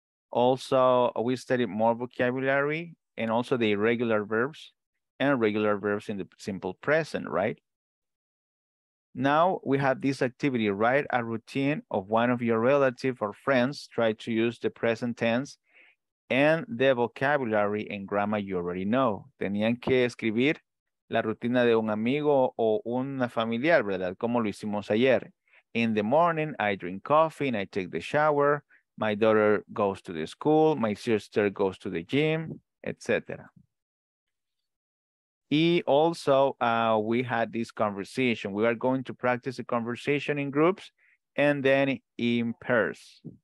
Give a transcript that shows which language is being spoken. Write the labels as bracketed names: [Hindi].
[English] Also, we studied more vocabulary and also the irregular verbs and regular verbs in the simple present, right? Now we have this activity, write a routine of one of your relatives or friends, try to use the present tense and the vocabulary and grammar you already know. [Spanish] Tenían que escribir la rutina de un amigo o una familiar, ¿verdad? Como lo hicimos ayer. [English] In the morning, I drink coffee and I take the shower. My daughter goes to the school, my sister goes to the gym, etc. Y also, we had this conversation. We are going to practice the conversation in groups and then in pairs.